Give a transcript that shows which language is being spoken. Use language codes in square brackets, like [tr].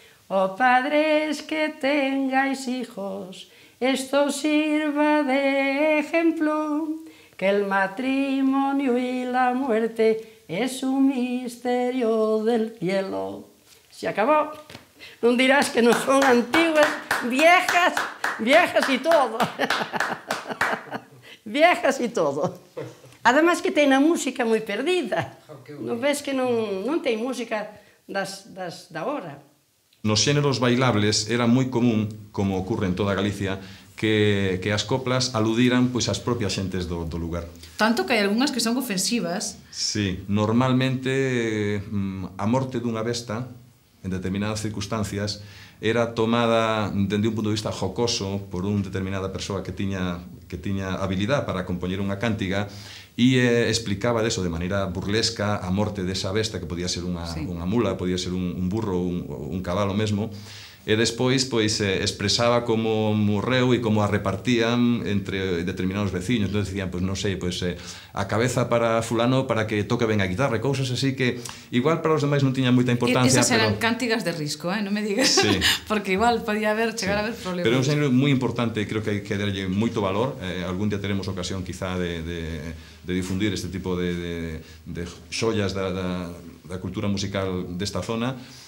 [es] Oh padres que tengáis hijos, esto sirva de ejemplo, que el matrimonio y la muerte es un misterio del cielo. Se acabó. No dirás que no son antiguas, viejas, viejas y todo. Viejas y todo. Además [gl] que ten a música moi perdida. Non ves que non ten música das da hora. Nos xéneros bailables era moi común, como ocurre en toda Galicia, que as coplas aludiran pois as propias xentes do lugar. Tanto que hai algunhas que son ofensivas. Sí, normalmente a morte dunha besta en determinadas circunstancias era tomada dende un punto de vista jocoso por unha determinada persoa que tiña habilidade para compoñer unha cántiga e explicaba deso de maneira burlesca a morte desa besta, que podía ser unha mula, podía ser un burro, un cabalo mesmo, e despois pois expresaba como morreu e como a repartían entre determinados veciños. Entón dicían, pois non sei, pois a cabeza para fulano para que toque ben a guitarra, cousas así que igual para os demais non tiña moita importancia. Esas eran cántigas de risco, non me digas. Sí. Porque igual podía chegar a haber problemas. Pero é un xénero moi importante, creo que hai que darlle moito valor. Algún día teremos ocasión quizá de difundir este tipo de xoias da cultura musical desta zona.